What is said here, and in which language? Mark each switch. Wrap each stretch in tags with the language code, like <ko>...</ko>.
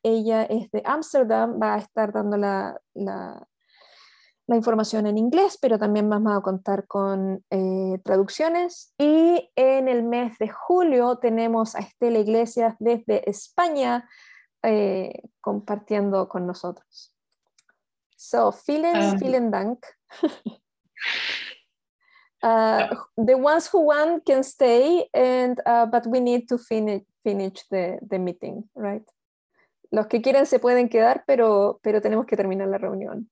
<es>Ella es de Amsterdam, va a estar dando la información en inglés, pero también vamos a contar con traducciones. Y en el mes de julio tenemos a Estela Iglesias desde España compartiendo con nosotros.</es> <de>So, vielen Dank.</de> <en>The ones who want can stay, but we need to finish the meeting, right?</en> <es>Los que quieren se pueden quedar, pero tenemos que terminar la reunión.</es>